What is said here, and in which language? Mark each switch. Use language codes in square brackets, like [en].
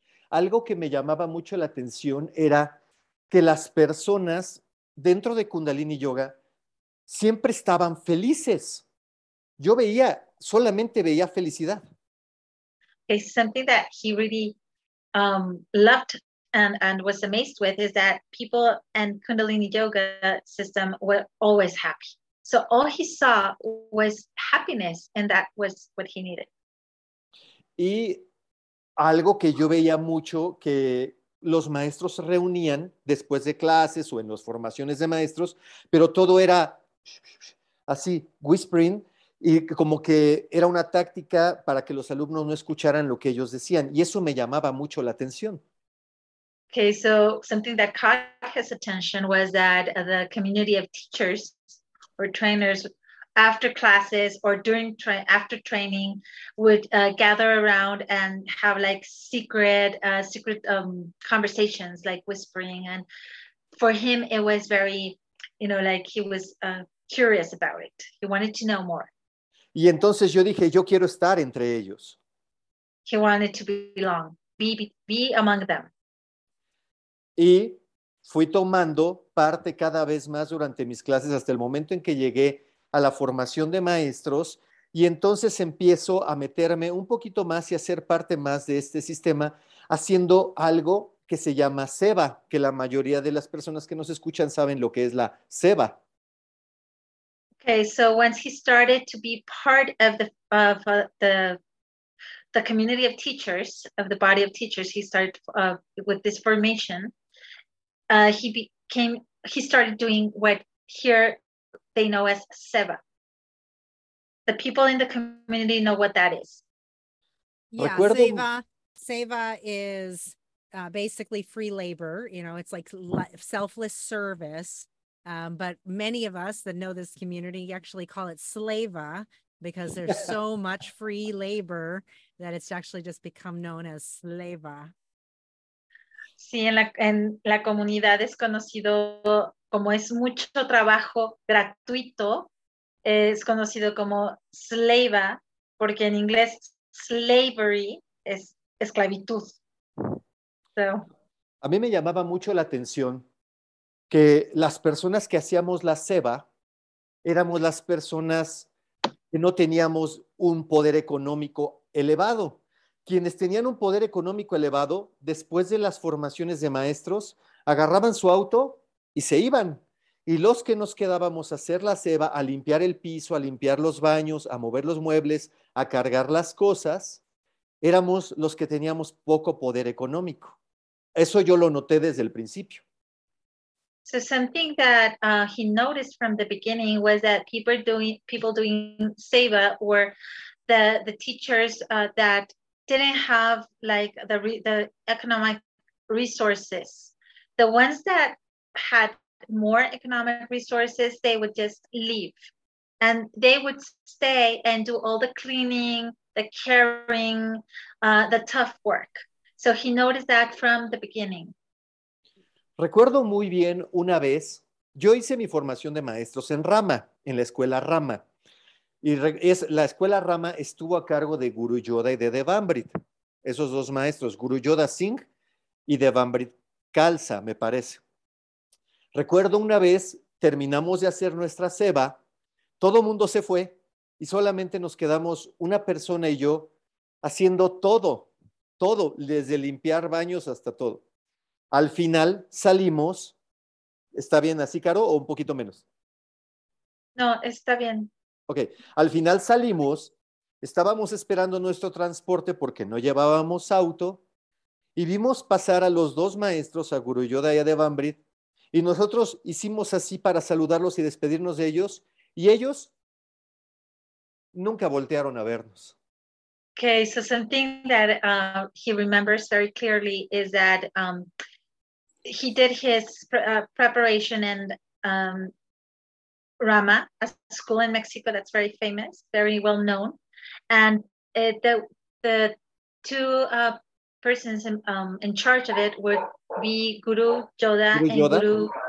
[es] Algo que me llamaba mucho la atención era que las personas dentro de Kundalini Yoga siempre estaban felices. Yo veía, solamente veía felicidad. [en] It's something that he really loved and was amazed with is that people in Kundalini Yoga system were always happy. So all he saw was happiness, and that was what he needed. [es] Y algo que yo veía mucho que los maestros se reunían después de clases o en las formaciones de maestros, pero todo era así, whispering, y como que era una táctica para que los alumnos no escucharan lo que ellos decían, y eso me llamaba mucho la atención. [en] Okay, so something that caught his attention was that the community of teachers or trainers after classes or during after training would gather around and have like secret conversations, like whispering. And for him, it was very, you know, like he was curious about it. He wanted to know more. [es] Y entonces yo dije, yo quiero estar entre ellos. [en] He wanted to belong, be among them. [es] Y fui tomando parte cada vez más durante mis clases hasta el momento en que llegué a la formación de maestros. Y entonces empiezo a meterme un poquito más y a ser parte más de este sistema, haciendo algo que se llama SEVA, que la mayoría de las personas que nos escuchan saben lo que es la SEVA. [en] Okay, so once he started to be part of the community of teachers, of the body of teachers, he started with this formation. He started doing what here they know as SEVA. The people in the community know what that is. Yeah, SEVA is basically free labor. You know, it's like selfless service. But many of us that know this community actually call it SLAVA because there's so much free labor that it's actually just become known as SLAVA. [es] Sí, en la comunidad es conocido como es mucho trabajo gratuito, es conocido como slava, porque en inglés slavery es esclavitud. [en] So. [es] A mí me llamaba mucho la atención que las personas que hacíamos la SEVA éramos las personas que no teníamos un poder económico elevado. Quienes tenían un poder económico elevado, después de las formaciones de maestros, agarraban su auto y se iban. Y los que nos quedábamos a hacer la SEVA, a limpiar el piso, a limpiar los baños, a mover los muebles, a cargar las cosas, éramos los que teníamos poco poder económico. Eso yo lo noté desde el principio. [en] So something that he noticed from the beginning was that people doing SEVA were the teachers that didn't have like the economic resources. The ones that had more economic resources, they would just leave. And they would stay and do all the cleaning, the caring, the tough work. So he noticed that from the beginning. [es] Recuerdo muy bien una vez, yo hice mi formación de maestros en Rama, en la escuela Rama. Y la escuela Rama estuvo a cargo de Guru Yoda y de Devambrit, esos dos maestros, Guru Yoda Singh y Devambrit Khalsa, me parece. Recuerdo una vez, terminamos de hacer nuestra SEVA, todo mundo se fue y solamente nos quedamos una persona y yo haciendo todo, desde limpiar baños hasta todo. Al final salimos, ¿está bien así, Caro, o un poquito menos? No, está bien. Ok, al final salimos, estábamos esperando nuestro transporte porque no llevábamos auto y vimos pasar a los dos maestros, a Guru Yoda y a Devambrit, y nosotros hicimos así para saludarlos y despedirnos de ellos, y ellos nunca voltearon a vernos. [en] Ok, so something that he remembers very clearly is that he did his preparation and Rama, a school in Mexico that's very famous, very well known, and the two persons in charge of it would be Guru Yoda and Guru